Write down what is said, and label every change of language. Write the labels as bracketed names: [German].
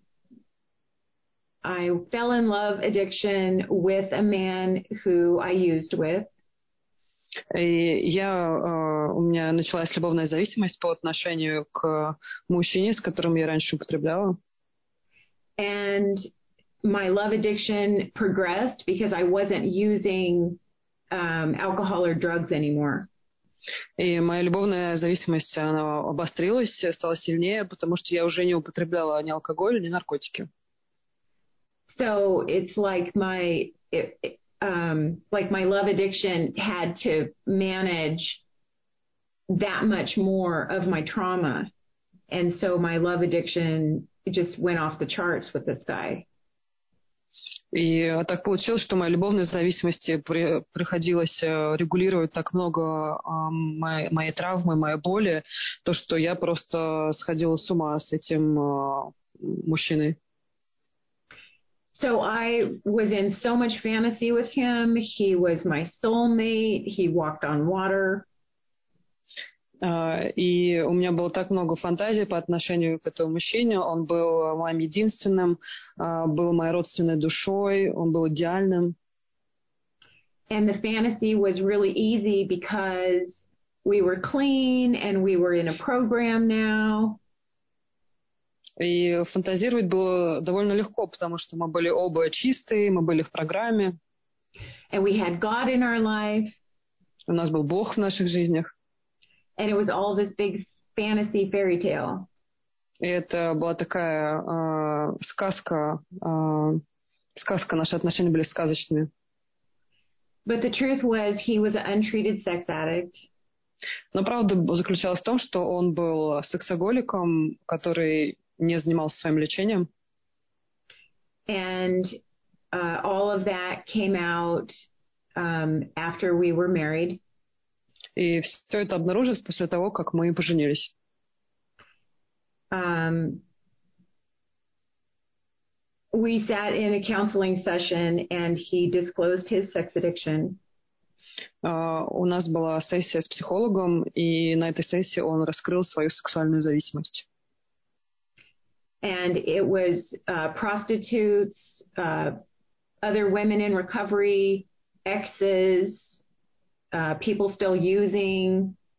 [English] So I fell in love addiction with a man who I used with. [Russian] И я, у меня началась любовная зависимость по отношению к мужчине, с которым я раньше употребляла. [English] And my love addiction progressed because I wasn't using alcohol or drugs anymore. [Russian] И моя любовная зависимость, она обострилась, стала сильнее, потому что я уже не употребляла ни алкоголь, ни наркотики. [English] So it's like my love addiction had to manage that much more of my trauma, and so my love addiction just went off the charts with this guy. [Russian] И так получилось, что моя любовная зависимость приходилось регулировать так много моей травмы, моей боли, то что я просто сходила с ума с этим мужчиной. [English] So I was in so much fantasy with him. He was my soulmate. He walked on water. [Russian] И у меня было так много фантазий по отношению к этому мужчине. Он был моим единственным, был моей родственной душой, он был идеальным. [English] And the fantasy was really easy because we were clean and we were in a program now. [Russian] И фантазировать было довольно легко, потому что мы были оба чистые, мы были в программе. [English] And we had God in our life. [Russian] У нас был Бог в наших жизнях. [English] And it was all this big fantasy fairy tale. [Russian] И это была такая сказка. Сказка, наши отношения были сказочными. [English] But the truth was, he was an untreated sex addict. [Russian] Но правда заключалась в том, что он был сексоголиком, который не занимался своим лечением. [English] And all of that came out after we were married. [Russian] И все это обнаружилось после того, как мы поженились. [English] We sat in a counseling session and he disclosed his sex addiction. [Russian] У нас была сессия с психологом, и на этой сессии он раскрыл свою сексуальную зависимость. [English] And it was prostitutes, other women in recovery, exes, people still using.